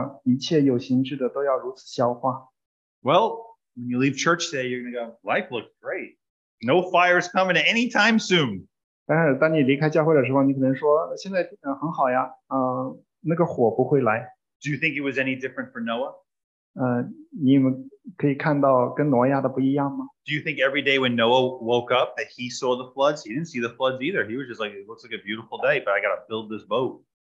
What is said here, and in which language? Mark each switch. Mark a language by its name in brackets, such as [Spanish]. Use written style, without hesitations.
[Chinese] 如果你不相信我的话，你可以去读彼得后书，里边就讲了说，当神再来的时候，这世界上一切有形之的都要如此消化。 [English] Well, when you leave church today, you're going to go, life looks great. No fire is coming anytime soon. [Chinese] 但是当你离开教会的时候，你可能说现在很好呀，那个火不会来。 [English] Do you think it was any different for Noah? [Chinese] 你们可以看到跟挪亚的不一样吗？ [English] Do you think every day when Noah woke up that he saw the floods? He didn't see the floods either. He was just like, it looks like a beautiful day, but I got to build this boat.